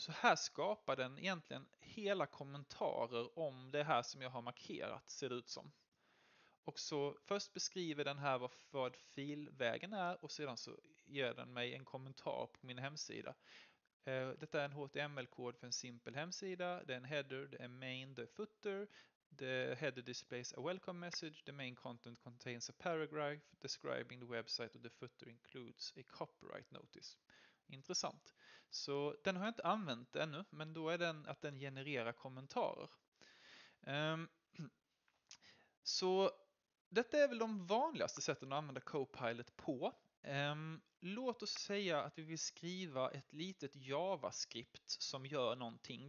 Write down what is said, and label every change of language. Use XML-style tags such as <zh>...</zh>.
<sv>Så här skapar den egentligen hela kommentarer om det här som jag har markerat, ser det ut som. Och så först beskriver den här vad filvägen är, och sedan så ger den mig en kommentar på min hemsida. Detta är en HTML-kod för en simpel hemsida. Det är en header, det är main, det är footer.</sv> <en>The header displays a welcome message. The main content contains a paragraph describing the website, and the footer includes a copyright notice.</en> <sv>Intressant. Så den har jag inte använt ännu, men då är den att den genererar kommentarer. Så detta är väl de vanligaste sätten att använda Copilot på. Låt oss säga att vi vill skriva ett litet JavaScript som gör någonting.</sv>